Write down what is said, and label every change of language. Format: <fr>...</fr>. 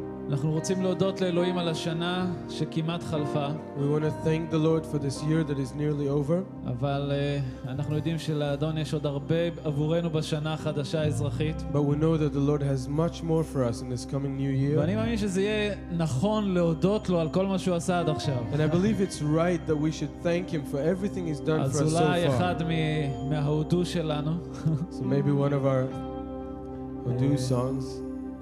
<he>אנחנו רוצים להודות לאלוהים על השנה שכמעט חלפה.</he> <en>We want to thank the Lord for this year that is nearly over.</en> <he>אבל אנחנו יודעים שלאדון יש עוד הרבה עבורנו בשנה החדשה האזרחית.</he> <en>But we know that the Lord has much more for us in this coming new year.</en> <he>ואני מאמין שזה יהיה נכון להודות לו על כל מה שהוא עשה עד עכשיו.</he> <en>And I believe it's right that we should thank him for everything he's done for us so far.</en> <he>אז אולי אחד מההודו שלנו.</he> <en>So maybe one of our הודו songs.</en>